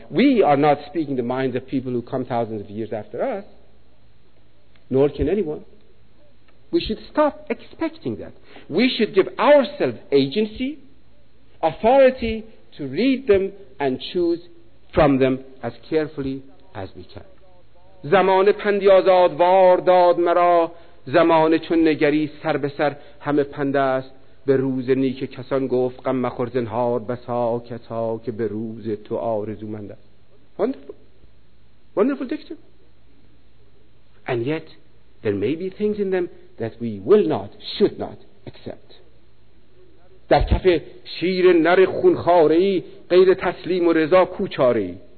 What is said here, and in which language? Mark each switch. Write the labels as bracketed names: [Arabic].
[English] We are not speaking the minds of people who come thousands of years after us. Nor can anyone. We should stop expecting that. We should give ourselves agency, authority to read them and choose from them as carefully as we can. [Persian] زمان پندی آزاد وار داد مرا زمان چون نگری سر به سر همه پند است به روز نیک کسان گفت غم مخور زنهار بسا کتا که به روز تو آرزومند است. [English] Wonderful dictum. And yet there may be things in them that we will not, should not accept. [Persian] در کف شیر نر خونخواری غیر تسلیم و رضا کوچاری.